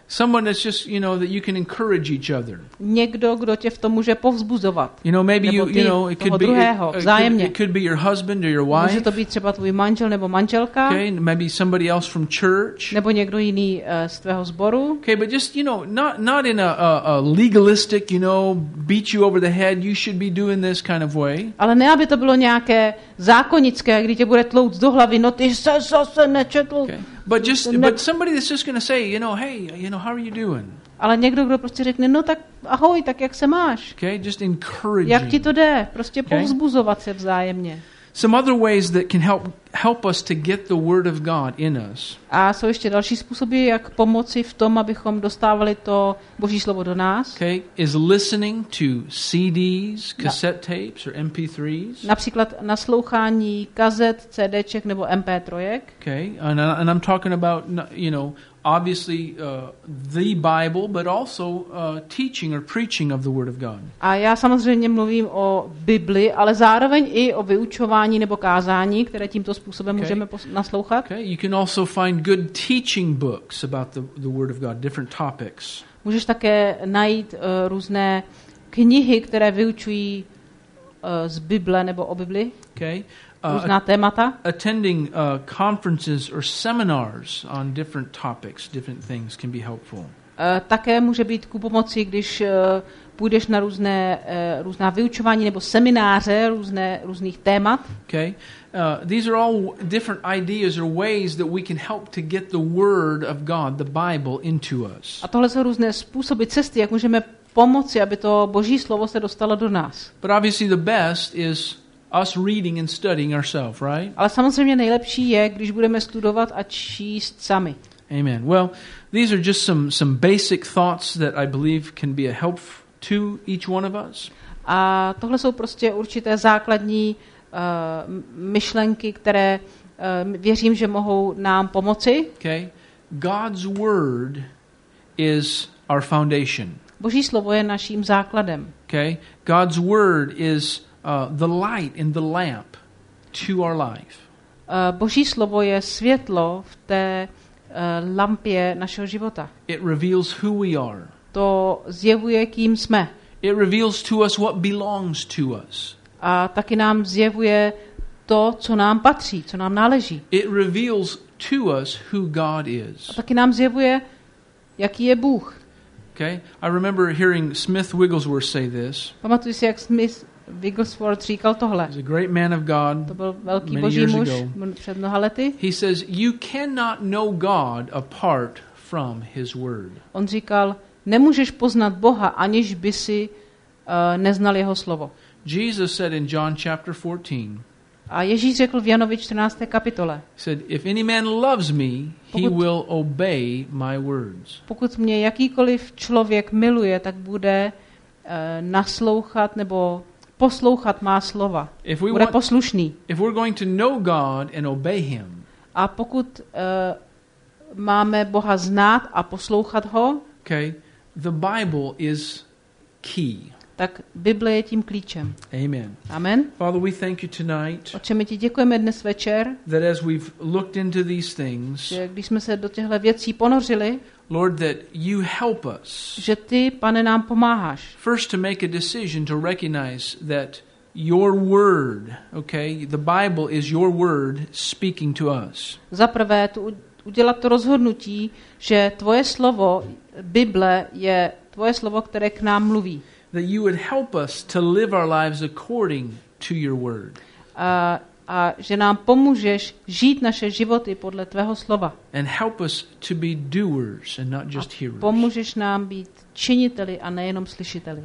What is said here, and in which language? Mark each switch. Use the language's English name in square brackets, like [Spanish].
[English] Someone that's just, you know, that you can encourage each other. [Czech] Někdo, kdo tě v tom může povzbuzovat. [English] You know, maybe you know, it could be [Czech] druhého, [English] it could be your husband or your wife. [Czech] Může to být třeba tvůj manžel nebo manželka. [English] Okay, maybe somebody else from church. [Czech] Nebo někdo jiný z tvého sboru. [English] Okay, but just, you know, not in a legalistic, you know, beat you over the head, you should be doing this kind of way. [Czech] Ale ne, aby to bylo nějaké zákonické, kdy tě bude tlouct do hlavy, no ty se zase nečetl. [English] Okay. But somebody that's just going to say, you know, hey, you know, how are you doing? [Czech] Ale někdo, kdo prostě řekne, no tak ahoj, tak jak se máš? [English] Okay, just encouraging. [Czech] Jak ti to jde? Prostě povzbuzovat se vzájemně. [English] Some other ways that can help us to get the word of God in us. [Czech] A jsou ještě další způsoby, jak pomoci v tom, abychom dostávali to Boží slovo do nás. [English] Okay, is listening to CDs, cassette tapes or MP3s. [Czech] Například naslouchání kazet, CDček nebo MP3ek. [English] Okay, and I'm talking about, you know, obviously the Bible, but also teaching or preaching of the word of God. [Czech] A já samozřejmě mluvím o Bibli, ale zároveň i o vyučování nebo kázání, které tímto způsobem můžeme naslouchat. [English] Okay. You can also find good teaching books about the word of God, different topics. [Czech] Můžeš také najít různé knihy, které vyučují z Bible nebo o Bibli. [English] Okay. [Czech] Různá témata. [English] Attending conferences or seminars on different topics, different things can be helpful. [Czech] Také může být ku pomoci, když půjdeš na různá vyučování nebo semináře různých témat. [English] Okay. These are all different ideas or ways that we can help to get the word of God, the Bible, into us. [Czech] A tohle jsou různé způsoby, cesty, jak můžeme pomoci, aby to Boží slovo se dostalo do nás. [English] But obviously the best is us reading and studying ourselves, right? [Czech] Ale samozřejmě nejlepší je, když budeme studovat a číst sami. [English] Amen. Well, these are just some basic thoughts that I believe can be a help to each one of us. [Czech] A tohle jsou prostě určité základní myšlenky, které věřím, že mohou nám pomoci. [English] Okay. God's word is our foundation. [Czech] Boží slovo je naším základem. [English] Okay? God's word is the light and the lamp to our life. [Czech] Boží slovo je světlo v té lampě našeho života. [English] It reveals who we are. [Czech] To zjevuje, kým jsme. [English] It reveals to us what belongs to us. [Czech] A taky nám zjevuje to, co nám patří, co nám náleží. [English] It reveals to us who God is. [Czech] A taky nám zjevuje, jaký je Bůh. [English] Okay? I remember hearing Smith Wigglesworth say this. [Czech] Pamatuji si, jak Smith Wigglesworth říkal tohle. [English] He's a great man of God. [Czech] To byl velký boží muž před mnoha lety. [English] He says, "You cannot know God apart from his word." [Czech] On říkal, nemůžeš poznat Boha, aniž by si neznal jeho slovo. [English] Jesus said in John chapter 14. [Czech] A Ježíš řekl v Janovi 14. kapitole. [English] Said, "If any man loves me, he will obey my words." [Czech] Pokud mě jakýkoliv člověk miluje, tak bude naslouchat nebo poslouchat má slova. Bude poslušný. [English] If we're going to know God and obey him. [Czech] A pokud máme Boha znát a poslouchat ho? [English] Okay. The Bible is key. [Czech] Tak Bible je tím klíčem. [English] Amen. [Czech] Amen. [English] Father, we thank you tonight. [Czech] Otče, my ti děkujeme dnes večer. [English] That as we've looked into these things. [Czech] Že když jsme se do těchto věcí ponořili. [English] Lord, that you help us. [Czech] Že ty, Pane, nám pomáháš. [English] First to make a decision to recognize that your word, okay, the Bible is your word speaking to us. [Czech] Za prvé to udělat to rozhodnutí, že tvoje slovo Bible je tvoje slovo, které k nám mluví. [English] That you would help us to live our lives according to your word. [Czech] A že nám pomůžeš žít naše životy podle tvého slova. [English] And help us to be doers and not just hearers. [Czech] A pomůžeš nám být činiteli a nejenom slyšiteli.